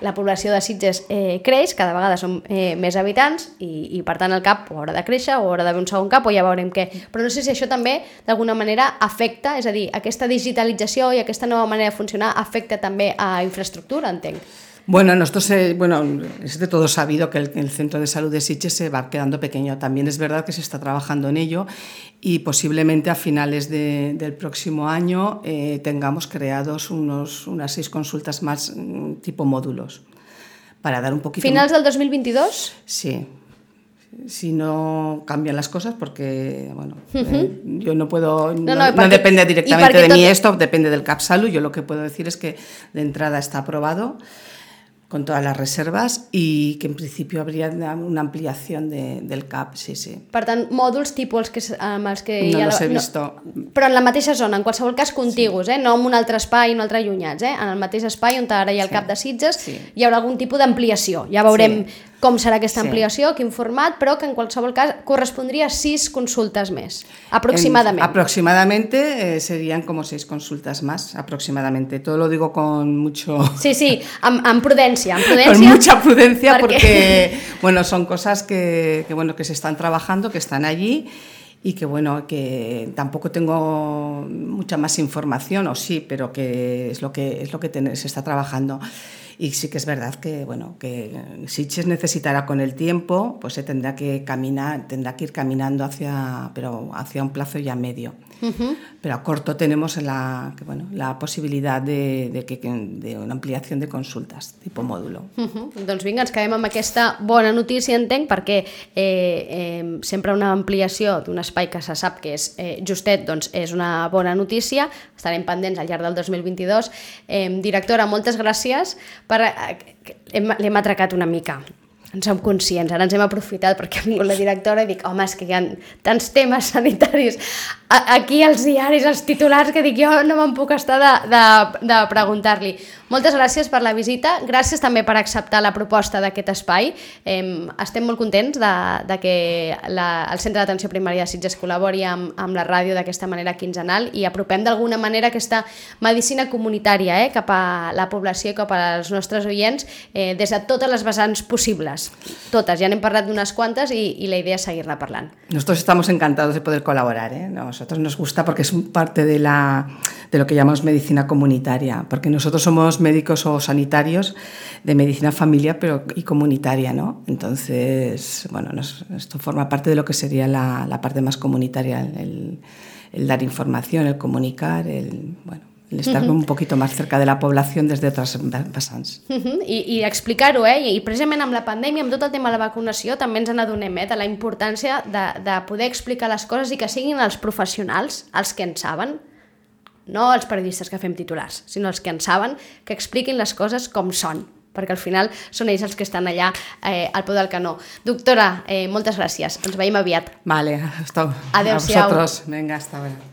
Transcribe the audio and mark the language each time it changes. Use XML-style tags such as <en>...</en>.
<ca>La població de Sitges creix, cada vegada som més habitants i per tant el CAP o haurà de créixer o haurà d'haver un segon CAP o ja veurem què. Però no sé si això també d'alguna manera afecta, és a dir, aquesta digitalització i aquesta nova manera de funcionar afecta també a infraestructura, entenc.</ca> <es>Bueno, nosotros, es de todo sabido que el centro de salud de Sitges se va quedando pequeño. También es verdad que se está trabajando en ello y posiblemente a finales del próximo año tengamos creados unas 6 consultas más tipo módulos para dar un poquito... ¿Finales del 2022? Sí. Si no cambian las cosas, porque bueno, yo no puedo, no depende directamente de mí esto, depende del CAP Salud. Yo lo que puedo decir es que de entrada está aprobado con todas las reservas y que en principio habría una ampliación del CAP, sí.</es> <ca>Per tant, mòduls tipus els que... No els he vist. Però en la mateixa zona, en qualsevol cas contigus, no en un altre espai, un altre allunyats, en el mateix espai on ara hi ha el CAP de Sitges, hi haurà algun tipus d'ampliació. Ja veurem com serà aquesta ampliació, quin format, però que en qualsevol cas correspondria a 6 consultes més, aproximadament.</ca> <es>Aproximadamente serían como 6</es> <ca>consultes més,</ca> <es>aproximadamente. Todo lo digo con mucho...</es> <ca>Sí, amb prudència, amb prudència.</ca> <es>Con mucha prudencia porque, bueno, son cosas que se están trabajando, que están allí y que, bueno, que tampoco tengo mucha más información, o sí, pero que se está trabajando. Y sí que es verdad que, bueno, que Sitges necesitará con el tiempo, pues se tendrá que ir caminando hacia un plazo ya medio. Uh-huh. Pero a corto tenemos la posibilitat de una</es> <ca>ampliació de consultes tipus mòdul. Doncs vinga, ens quedem amb aquesta bona notícia, entenc, perquè sempre una ampliació d'un espai que se sap que és justet, doncs és una bona notícia. Estarem pendents al llarg del 2022. Directora, moltes gràcies. L'hem atracat una mica. En som conscients, ara ens hem aprofitat perquè ha vingut la directora i dic, home, és que hi ha tants temes sanitaris aquí als diaris, als titulars, que dic, jo no me'n puc estar de preguntar-li. Moltes gràcies per la visita, gràcies també per acceptar la proposta d'aquest espai. Estem molt contents de que el Centre d'Atenció Primària de Sitges col·labori amb la ràdio d'aquesta manera quinzenal i apropem d'alguna manera aquesta medicina comunitària cap a la població i cap als nostres oients des de totes les vessants possibles. Totes, ja n'hem parlat d'unes quantes i la idea és seguir-la parlant.</ca> <es>Nosotros estamos encantados de poder colaborar. Nosotros nos gusta porque es parte de lo que llamamos medicina comunitaria, porque nosotros somos médicos o sanitarios de medicina familiar y comunitaria, ¿no? Entonces, bueno, esto forma parte de lo que sería la parte más comunitaria, el dar información, el comunicar, el estar un poquito más cerca de la población desde otras vessants.</es> <ca>I explicar-ho, i precisament amb la pandèmia, amb tot el tema de la vacunació, també ens n'adonem de la importància de poder explicar les coses i que siguin els professionals els que en saben, no els periodistes que fem titulars, sinó els que en saben, que expliquin les coses com són, perquè al final són ells els que estan allà al peu del canó. Doctora, moltes gràcies. Ens veiem aviat.</ca> <es>Vale, hasta a vosotros. Venga, hasta ahora.</es>